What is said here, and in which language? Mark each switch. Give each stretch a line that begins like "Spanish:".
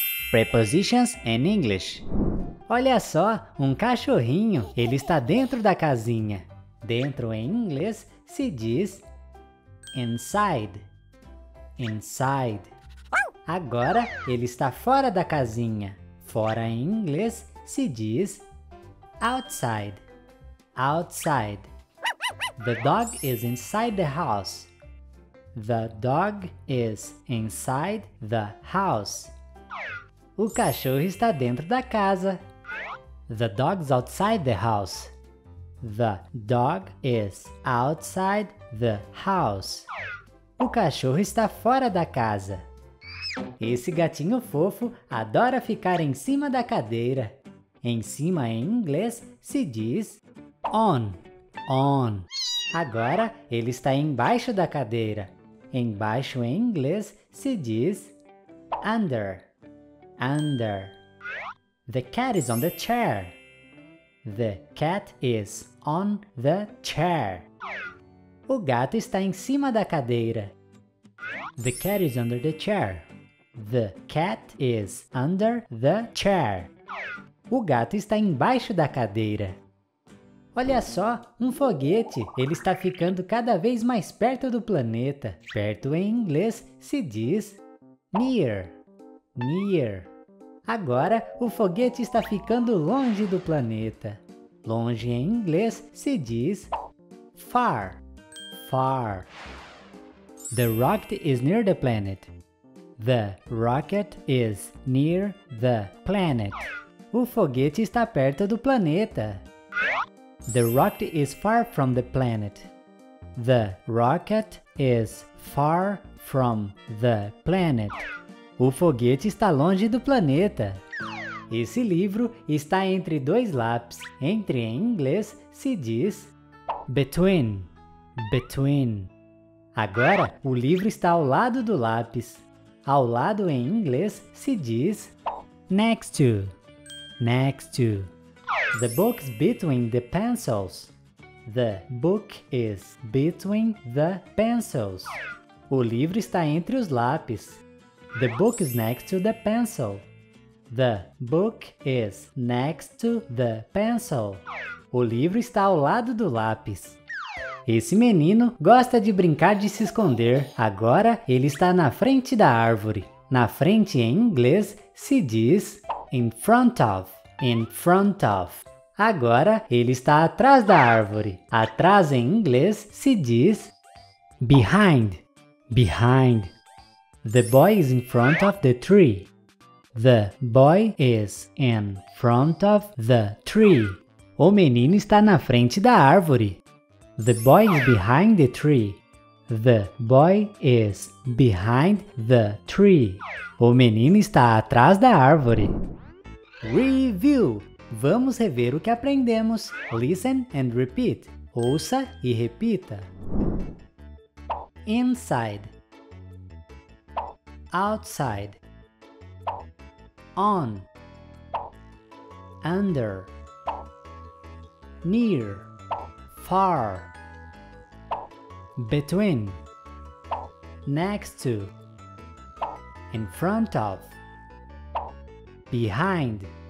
English: Prepositions in English.
Portuguese: Olha só, um cachorrinho. Ele está dentro da casinha. Dentro em inglês se diz inside. Inside. Agora ele está fora da casinha. Fora em inglês se diz outside.
English: Outside. The dog is inside the house. The dog is inside the house.
Portuguese: O cachorro está dentro da casa.
English: The dog's outside the house. The dog is outside the house.
Portuguese: O cachorro está fora da casa. Esse gatinho fofo adora ficar em cima da cadeira. Em cima em inglês se diz on. On. Agora ele está embaixo da cadeira. Embaixo em inglês se diz under. Under.
English: The cat is on the chair. The cat is on the chair.
Portuguese: O gato está em cima da cadeira.
English: The cat is under the chair. The cat is under the chair.
Portuguese: O gato está embaixo da cadeira. Olha só, um foguete. Ele está ficando cada vez mais perto do planeta. Perto em inglês se diz near. Near. Agora, o foguete está ficando longe do planeta. Longe em inglês se diz far.
English: Far. The rocket is near the planet. The rocket is near the planet.
Portuguese: O foguete está perto do planeta.
English: The rocket is far from the planet. The rocket is far from the planet.
Portuguese: O foguete está longe do planeta. Esse livro está entre dois lápis. Entre em inglês se diz between. Between. Agora o livro está ao lado do lápis. Ao lado em inglês se diz next to.
English: Next to. The book is between the pencils. The book is between the pencils.
Portuguese: O livro está entre os lápis.
English: The book is next to the pencil. The book is next to the pencil.
Portuguese: O livro está ao lado do lápis. Esse menino gosta de brincar de se esconder. Agora ele está na frente da árvore. Na frente em inglês se diz in front of.
English: In front of.
Portuguese: Agora ele está atrás da árvore. Atrás em inglês se diz behind.
English: Behind. The boy is in front of the tree. The boy is in front of the tree.
Portuguese: O menino está na frente da árvore.
English: The boy is behind the tree. The boy is behind the tree.
Portuguese: O menino está atrás da árvore. Review! Vamos rever o que aprendemos.
English: Listen and repeat.
Portuguese: Ouça e repita.
English: Inside. Outside. On. Under. Near. Far. Between. Next to. In front of. Behind.